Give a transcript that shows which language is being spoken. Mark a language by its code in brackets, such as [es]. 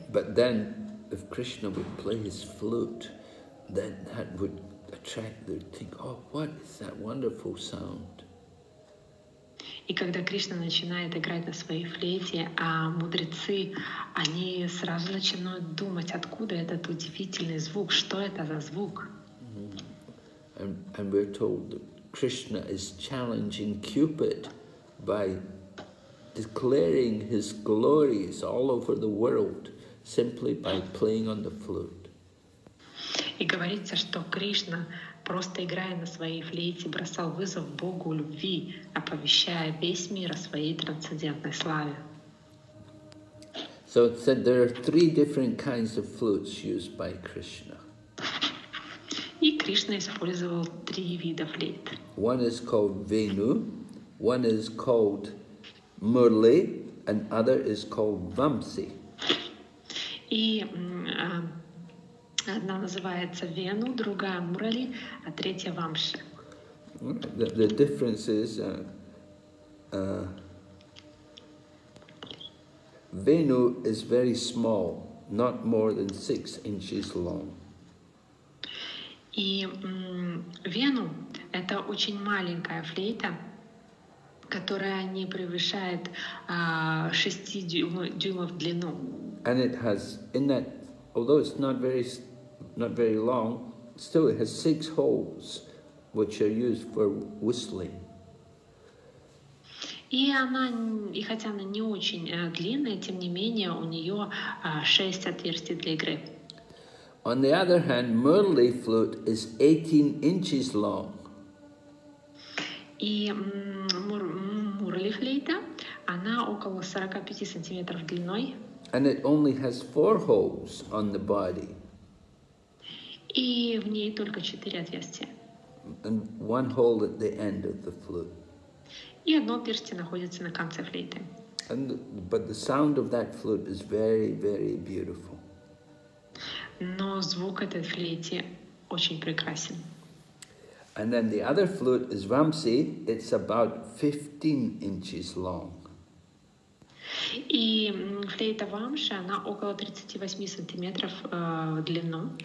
[en] But then, if Krishna would play his flute, then that would attract, they think, oh, what is that wonderful sound? [ru] И когда Кришна начинает играть на своей флейте, а мудрецы, они сразу начинают думать, откуда этот удивительный звук, что это за звук. [en] And we're told that Krishna is challenging Cupid by declaring his glories all over the world simply by playing on the flute. [ru] И говорится, что Кришна, просто играя на своей флейте, бросал вызов Богу любви, оповещая весь мир о своей трансцендентной славе. [en] So it said there are three different kinds of flutes used by Krishna. [ru] И Кришна использовал три вида флейт. [en] One is called Venu, one is called Murli, and other is called Vamsi. [ru] И одна называется Вену, другая Мурали, а третья Вамши. [en] The difference is Вену is very small, not more than 6 inches long. [ru] И Вену это очень маленькая флейта, которая не превышает 6 дюймов в длину. [en] And it has in that, although it's not very long, still it has 6 holes, which are used for whistling. [ru] И она, и хотя она не очень длинная, тем не менее у нее 6 отверстий для игры. [en] On the other hand, Murli flute is 18 inches long. [ru] И Мурли флейта, она около 45 сантиметров длиной. [en] And it only has 4 holes on the body. [ru] И в ней только 4 отверстия. [en] And one hole at the end of the flute. [ru] И одно отверстие находится на конце флейты. [en] But the sound of that flute is very, very beautiful. [ru] Но звук этой флейты очень прекрасен. [en] And then the other flute is Vamsi. It's about 15 inches long. [ru] И флейта Вамши, она около 38 сантиметров в длину.